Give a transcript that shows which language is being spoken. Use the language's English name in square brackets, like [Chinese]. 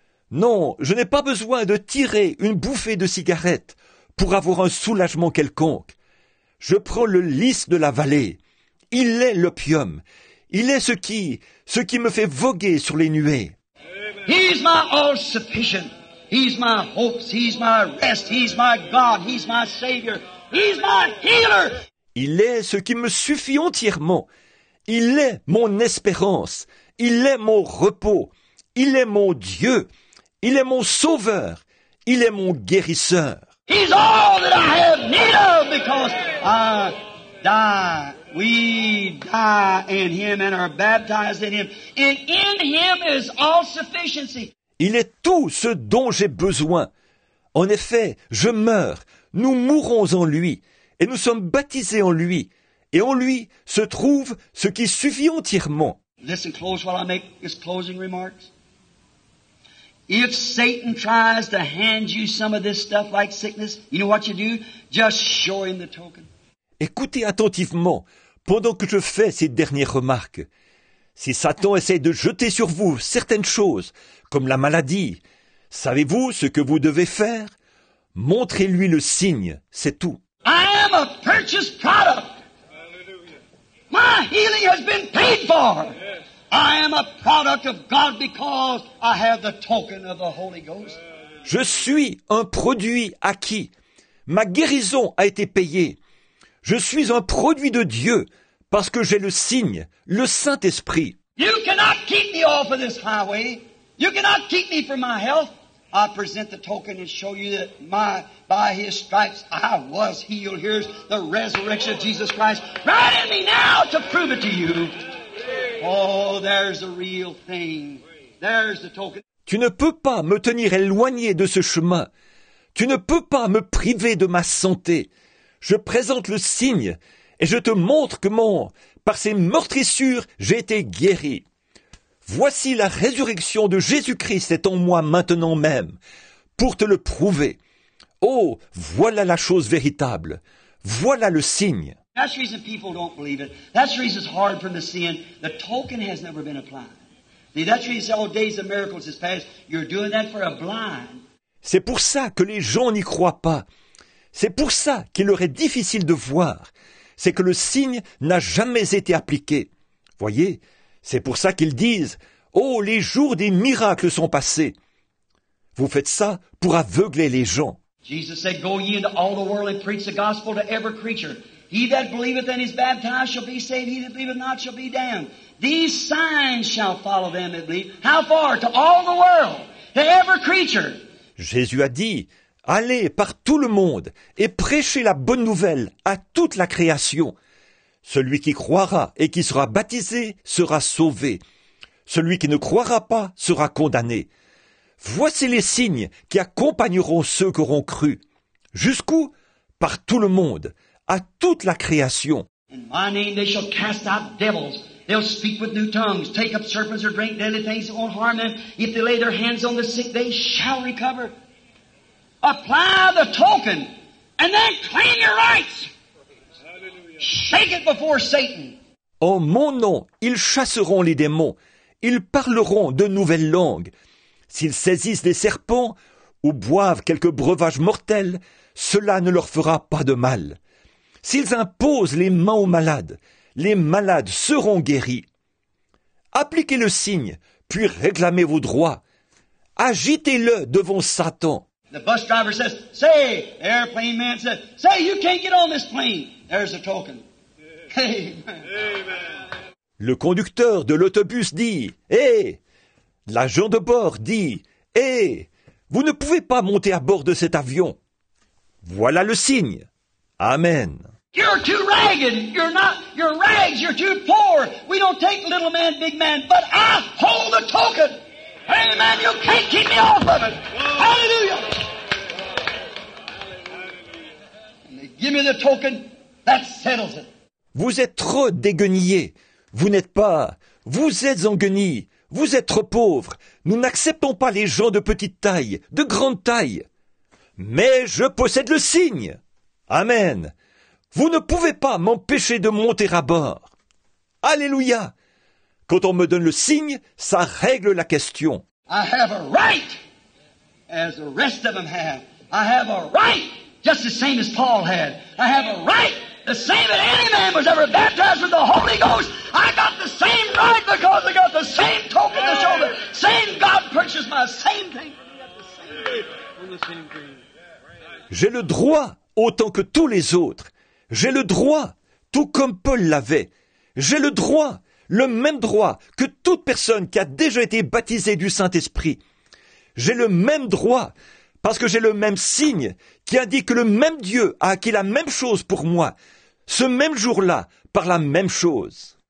[French] Non, je n'ai pas besoin de tirer une bouffée de cigarette pour avoir un soulagement quelconque. Je prends le lys de la vallée. Il est l'opium. Il est ce qui me fait voguer sur les nuées. [English] He's my all sufficient. He's my hopes, he's my rest, he's my God, he's my Savior, he's my healer. Il est ce qui me suffit entièrement. Il est mon espérance. Il est mon repos. Il est mon Dieu. Il est mon sauveur. Il est mon guérisseur. He's all that I have need of because I die. We die in him and are baptized in him. And in him is all sufficiency. [French] Il est tout ce dont j'ai besoin. En effet, je meurs, nous mourons en lui, et nous sommes baptisés en lui, et en lui se trouve ce qui suffit entièrement. [English] Listen close while I make his closing remarks. If Satan tries to hand you some of this stuff like sickness, you know what you do? Just show him the token. [French] Écoutez attentivement pendant que je fais ces dernières remarques. Si Satan essaie de jeter sur vous certaines choses, comme la maladie, savez-vous ce que vous devez faire? Montrez-lui le signe, c'est tout. [English] I am a purchased product. My healing has been paid for. I am a product of God because I have the token of the Holy Ghost. [French] Je suis un produit acquis. Ma guérison a été payée. Je suis un produit de Dieu. Parce que j'ai le signe, le Saint-Esprit. [English] You cannot keep me off of this highway. You cannot keep me from my health. I present the token and show you that by his stripes I was healed. Here's the resurrection of Jesus Christ right in me now to prove it to you. Oh, there's the real thing. There's the token. [French] Tu ne peux pas me tenir éloigné de ce chemin. Tu ne peux pas me priver de ma santé. Je présente le signe et je te montre que par ces meurtrissures, j'ai été guéri. Voici la résurrection de Jésus-Christ est en moi maintenant même, pour te le prouver. Oh, voilà la chose véritable. Voilà le signe. [English] That's the reason people don't believe it. That's the reason it's hard for them to see. The token has never been applied. See, that's the reason all days of miracles is past. You're doing that for a blind. [French] C'est pour ça que les gens n'y croient pas. C'est pour ça qu'il leur est difficile de voir. C'est que le signe n'a jamais été appliqué. Voyez, c'est pour ça qu'ils disent « Oh, les jours des miracles sont passés !» Vous faites ça pour aveugler les gens. [English] Jesus said, go ye into all the world and preach the gospel to every creature. He that believeth and is baptized shall be saved, he that believeth not shall be damned. These signs shall follow them that believe. How far? To all the world, to every creature. [French] Jésus a dit, allez par tout le monde et prêchez la bonne nouvelle à toute la création. Celui qui croira et qui sera baptisé sera sauvé. Celui qui ne croira pas sera condamné. Voici les signes qui accompagneront ceux qui auront cru. Jusqu'où? Par tout le monde, à toute la création. [English] In my name they shall cast out devils. They'll speak with new tongues, take up serpents or drink deadly things that won't harm them. If they lay their hands on the sick, they shall recover. Apply the token and then claim your rights. Shake it before Satan. [French] En mon nom, ils chasseront les démons. Ils parleront de nouvelles langues. S'ils saisissent des serpents ou boivent quelques breuvages mortels, cela ne leur fera pas de mal. S'ils imposent les mains aux malades, les malades seront guéris. Appliquez le signe, puis réclamez vos droits. Agitez-le devant Satan. [English] The bus driver says, say, the airplane man says, say, you can't get on this plane. There's a token. Amen. [French] Le conducteur de l'autobus dit, hey. L'agent de bord dit, hey, vous ne pouvez pas monter à bord de cet avion. Voilà le signe. Amen. [English] You're too ragged. You're not. You're rags. You're too poor. We don't take little man, big man. But I hold the token. Hey, man, you can't keep me off of it. Hallelujah. And they give me the token. That settles it. [French] Vous êtes trop déguenillé. Vous n'êtes pas. Vous êtes en guenille. Vous êtes trop pauvre. Nous n'acceptons pas les gens de petite taille, de grande taille. Mais je possède le signe. Amen. Vous ne pouvez pas m'empêcher de monter à bord. Alléluia. Quand on me donne le signe, ça règle la question. [English] I have a right, as the rest of them have. I have a right, just the same as Paul had. I have a right, the same that any man was ever baptized with the Holy Ghost. I got the same right because I got the same token to show the same God purchased my same thing. [French] J'ai le droit autant que tous les autres. J'ai le droit, tout comme Paul l'avait. J'ai le droit, le même droit que toute personne qui a déjà été baptisée du Saint-Esprit. J'ai le même droit, parce que j'ai le même signe qui indique que le même Dieu a acquis la même chose pour moi, ce même jour-là, par la même chose.